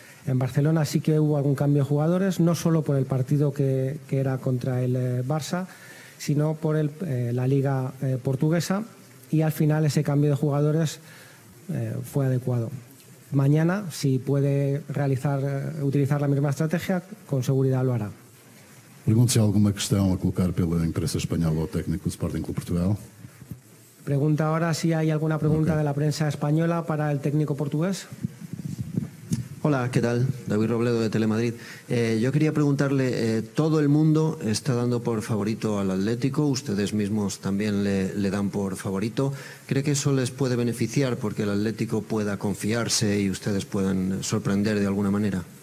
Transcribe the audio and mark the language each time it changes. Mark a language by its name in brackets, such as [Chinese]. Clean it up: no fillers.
[Spanish] En Barcelona sí que hubo algún cambio de jugadores, no solo por el partido que era contra el Barça, sino por la Liga Portuguesa, y al final ese cambio de jugadores fue adecuado. Mañana, si puede utilizar la misma estrategia, con seguridad lo hará. [Portuguese] Pregunta-se alguma questão a colocar pela imprensa espanhola ao técnico do Sporting Clube Portugal? Pregunta agora se há alguma pergunta da imprensa espanhola para o técnico português. [Spanish] Hola, ¿qué tal? David Robledo, de Telemadrid. Yo quería preguntarle, todo el mundo está dando por favorito al Atlético, ustedes mismos también le dan por favorito. ¿Cree que eso les puede beneficiar porque el Atlético pueda confiarse y ustedes puedan sorprender de alguna manera?